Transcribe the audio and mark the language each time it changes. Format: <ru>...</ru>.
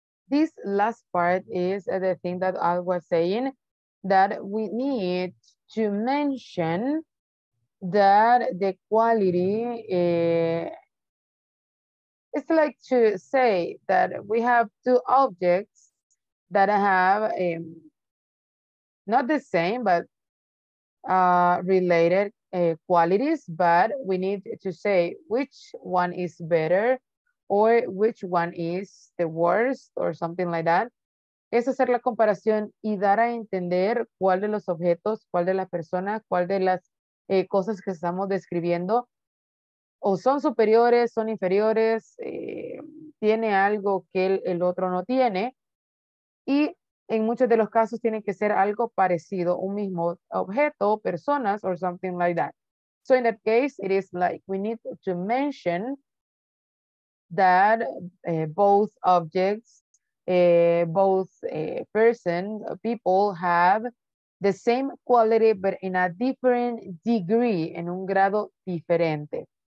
<en>This last part is the thing that I was saying, that we need to mention that the quality, it's like to say that we have two objects that have not the same, but related qualities, but we need to say which one is better or which one is the worst, or something like that.</en> <es>Es hacer la comparación y dar a entender cuál de los objetos, cuál de las personas, cuál de las cosas que estamos describiendo, o son superiores, son inferiores, tiene algo que el otro no tiene, y en muchos de los casos tiene que ser algo parecido, un mismo objeto, personas,</es> <en>or something like that. So in that case, it is like we need to mention that both objects, both persons, people have the same quality, but in a different degree,</en> <es>en un grado diferente.</es>